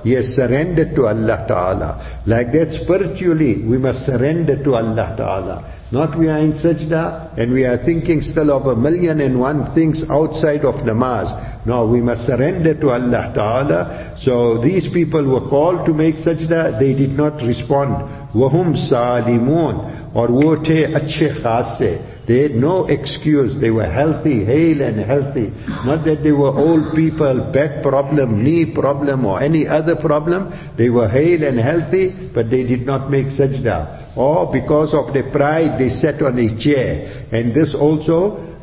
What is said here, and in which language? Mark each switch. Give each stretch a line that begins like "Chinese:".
English: He has surrendered to Allah Ta'ala. Like that, spiritually, we must surrender to Allah Ta'ala. Not we are in sajda, and we are thinking still of a million and one things outside of namaz. No, we must surrender to Allah Ta'ala. So these people were called to make sajda, they did not respond.
Arabic: وَهُمْ سَالِمُونَ
Urdu: اور وہ تھے اچھے خاصے.
English: They had no excuse. They were healthy, hale and healthy. Not that they were old people, back problem, knee problem, or any other problem. They were hale and healthy, but they did not make sajda. Or because of their pride, they sat on a chair. And this also,